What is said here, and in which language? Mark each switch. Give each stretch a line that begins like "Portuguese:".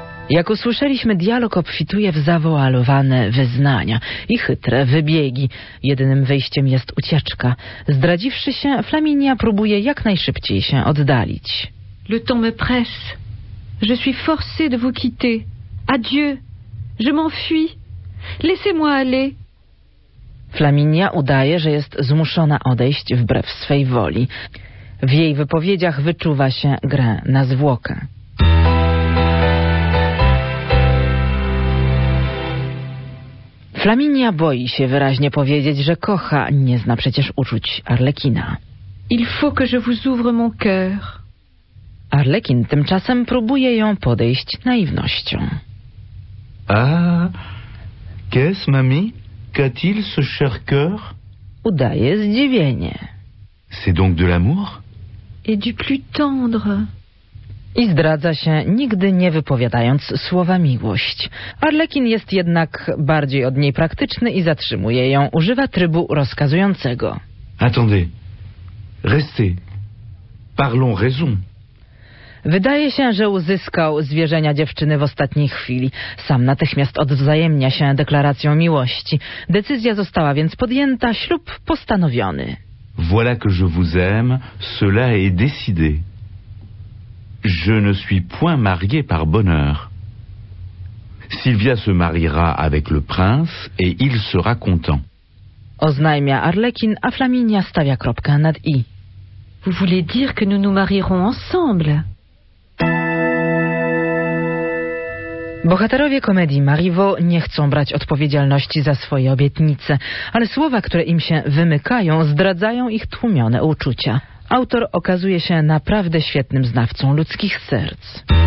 Polish: Jak usłyszeliśmy, dialog obfituje w zawoalowane wyznania i chytre wybiegi. Jedynym wyjściem jest ucieczka. Zdradziwszy się, Flaminia próbuje jak najszybciej się oddalić.
French: Le temps me presse. Je suis forcée de vous quitter. Adieu. Je m'enfuis. Laissez-moi aller.
Polish: Flaminia udaje, że jest zmuszona odejść wbrew swej woli. W jej wypowiedziach wyczuwa się grę na zwłokę. Flaminia boi się wyraźnie powiedzieć, że kocha, nie zna przecież uczuć Arlekina.
French: Il faut que je vous ouvre mon cœur.
Polish: Arlekin tymczasem próbuje ją podejść naiwnością.
French: Ah, qu'est-ce, mamie? Qu'a-t-il ce cher cœur?
Polish: Udaje zdziwienie.
French: C'est donc de l'amour? Et du plus tendre.
Polish: I zdradza się, nigdy nie wypowiadając słowa miłość. Arlekin jest jednak bardziej od niej praktyczny i zatrzymuje ją. Używa trybu rozkazującego.
French: Attendez. Restez. Parlons raison.
Polish: Wydaje się, że uzyskał zwierzenia dziewczyny w ostatniej chwili. Sam natychmiast odwzajemnia się deklaracją miłości. Decyzja została więc podjęta, ślub postanowiony.
French: Voilà que je vous aime, cela est décidé. Je ne suis point marié par bonheur. Sylvia se mariera avec le prince et il sera content.
Polish: Oznajmia Arlekin, a Flaminia stawia kropkę nad i.
French: Vous voulez dire que nous nous marierons ensemble?
Polish: Bohaterowie komedii Marivaux nie chcą brać odpowiedzialności za swoje obietnice, ale słowa, które im się wymykają, zdradzają ich tłumione uczucia. Autor okazuje się naprawdę świetnym znawcą ludzkich serc.